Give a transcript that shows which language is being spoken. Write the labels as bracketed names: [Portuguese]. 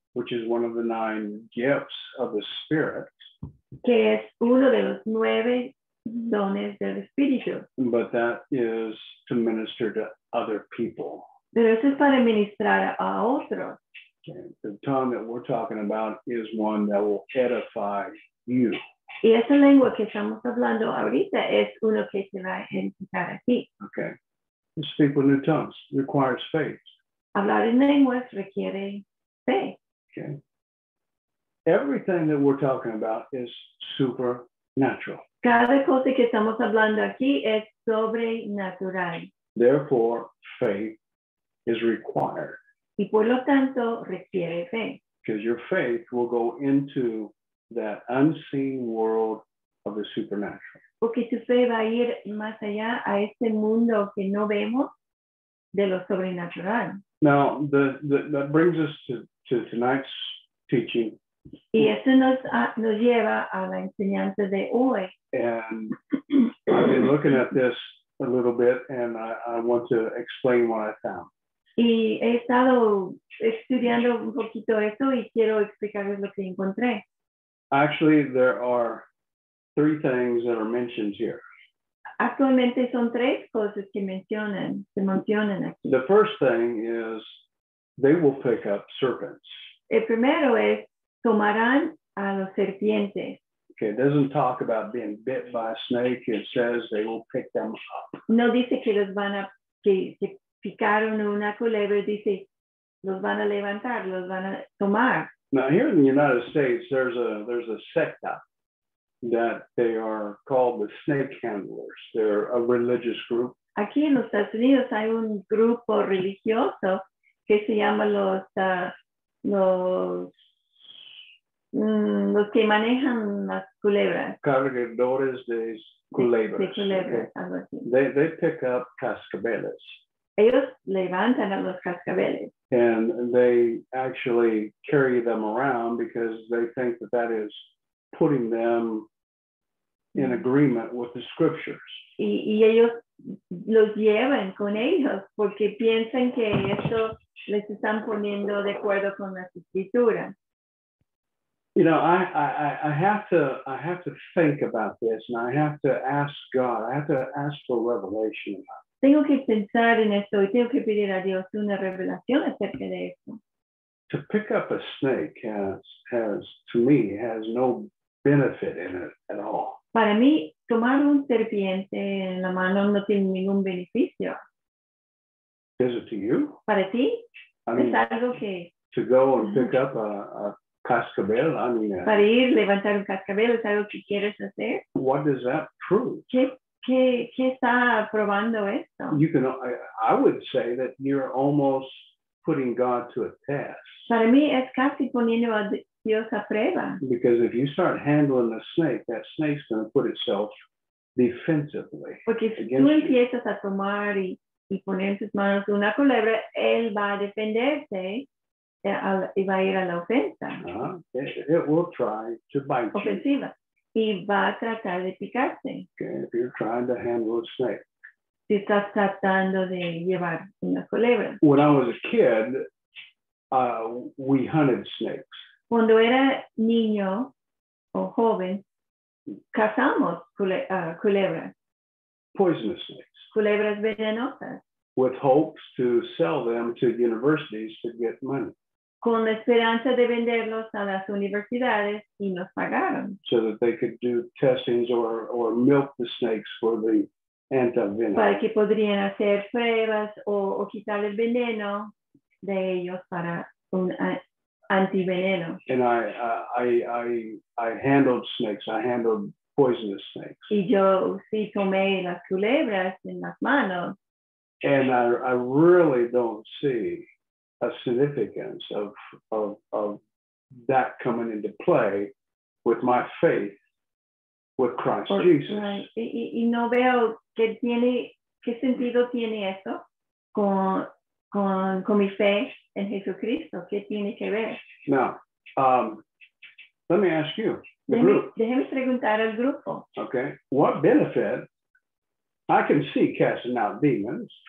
[English] Which is one of the nine gifts of the Spirit. [Spanish] Que es uno de los nueve dones del Espíritu. [English] But that is to minister to other people. [Spanish] Pero eso es para ministrar a otros. [English] Okay. The tongue that we're talking about is one that will edify you. [Spanish] Y esa lengua que estamos hablando ahorita es uno que se va a edificar a ti. [English] Okay. To speak with new tongues requires faith. [Spanish] Hablar en lenguas requiere fe. [English] Okay. Everything that we're talking about is supernatural. [Spanish] Cada cosa que estamos hablando aquí es sobrenatural. [English] Therefore, faith is required. [Spanish] Y por lo tanto, requiere fe. [English] Because your faith will go into that unseen world of the supernatural. [Spanish] Porque tu fe va a ir más allá a este mundo que no vemos de lo sobrenatural. [English] Now, that brings us to tonight's teaching. [Spanish] Y eso nos lleva a la enseñanza de hoy. [English] And I've been looking at this a little bit, and I want to explain what I found. [Spanish] Y he estado estudiando un poquito eso y quiero explicarles lo que encontré. [English] Actually, there are three things that are mentioned here. [Spanish] Actualmente son tres cosas que mencionan aquí. [English] The first thing is they will pick up serpents. [Spanish] El primero es tomarán a los serpientes. [English] Okay, it doesn't talk about being bit by a snake. It says they will pick them up. [Spanish] No dice que los van a que picaron una culebra. Dice los van a levantar, los van a tomar. [English] Now here in the United States, there's a secta that they are called the snake handlers. They're a religious group. [Spanish] Aquí en los Estados Unidos hay un grupo religioso que se llama los que manejan las culebras. Cargadores de culebras. De culebras, okay. [English] They pick up cascabeles. [Spanish] Ellos levantan a los cascabeles. [English] And they actually carry them around because they think that that is putting them in agreement with the scriptures. [Spanish] Y ellos los llevan con ellos porque piensan que eso les están poniendo de acuerdo con las escrituras. [English] You know, I have to think about this, and I have to ask God. I have to ask for revelation. [Spanish] Tengo que pensar en esto y tengo que pedir a Dios una revelación acerca de esto. [English] To pick up a snake has to me has no benefit in it at all. [Spanish] Para mí, tomar un serpiente en la mano no tiene ningún beneficio. [English] Is it to you? [Spanish] Para ti, es algo que. [English] To go and pick up a cascabel, I mean. [Spanish] Para ir levantar un cascabel es algo que quieres hacer. [English] What does that prove? [Spanish] ¿Qué está probando esto? [English] You can, I would say that you're almost putting God to a test. [Spanish] Para mí es casi poniendo a Dios a prueba. [English] Because if you start handling the snake, that snake's going to put itself defensively. [Spanish] Porque si tú empiezas a tomar y poner en tus manos una culebra, él va a defenderse. Y va a ir a la ofensa. [English] It will try to bite you. [Spanish] Ofensiva. Y va a tratar de picarse. [English] Okay, if you're trying to handle a snake. [Spanish] Si estás tratando de llevar una culebra. [English] When I was a kid, we hunted snakes. [Spanish] Cuando era niño o joven, cazamos culebras. [English] Poisonous snakes. [Spanish] Culebras venenosas. [English] With hopes to sell them to universities to get money. [Spanish] Con la esperanza de venderlos a las universidades y nos pagaron. [English] So that they could do testings or milk the snakes for the antivenom. [Spanish] Para que podrían hacer pruebas o quitar el veneno de ellos para un antiveneno. [English] And I handled snakes. I handled poisonous snakes. [Spanish] Y yo sí tomé las culebras en las manos. [English] And I really don't see a significance of that coming into play with my faith with Christ Jesus. Right. [Spanish] Y no veo que tiene qué sentido tiene eso con mi fe en Jesucristo. ¿Qué tiene que ver? [English] Now, let me ask you, [Spanish] déjeme preguntar al grupo. [English] Okay, what benefit? I can see casting out demons.